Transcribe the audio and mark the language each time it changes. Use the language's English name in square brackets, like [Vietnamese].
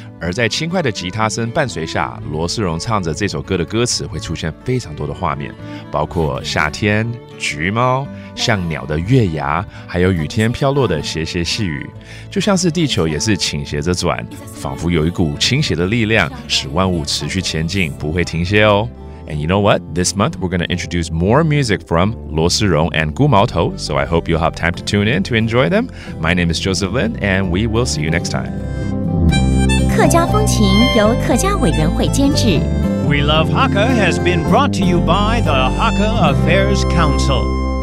[Chinese] 而在轻快的吉他声伴随下，罗思容唱着这首歌的歌词会出现非常多的画面，包括夏天、橘猫、像鸟的月牙，还有雨天飘落的斜斜细雨，就像是地球也是倾斜着转，仿佛有一股倾斜的力量使万物持续前进不会停歇哦。 [English] And you know what? This month, we're going to introduce more music from 罗思容 and 孤毛头, so I hope you'll have time to tune in to enjoy them. My name is Joseph Lin, and we will see you next time. [Chinese] 客家风情由客家委员会监制。 [English] We Love Hakka has been brought to you by the Hakka Affairs Council.